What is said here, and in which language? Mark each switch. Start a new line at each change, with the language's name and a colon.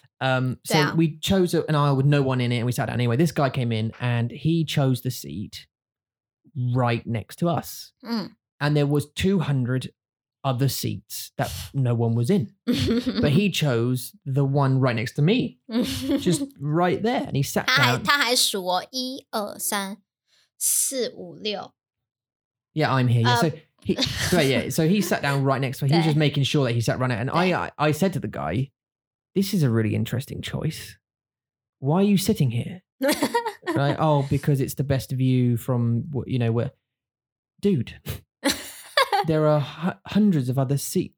English: So we chose an aisle with no one in it and we sat down. Anyway, this guy came in and he chose the seat right next to us. And there was 200 other seats that no one was in. But he chose the one right next to me. Just right there. And he sat down.
Chinese: 他还数哦, 一二三四五六.
English: Yeah, I'm here. Yeah. So he sat down right next to me. He was just making sure that he sat right next. And I said to the guy, this is a really interesting choice. Why are you sitting here? Right? Oh, because it's the best view from, you know, where. Dude, there are hundreds of other seats.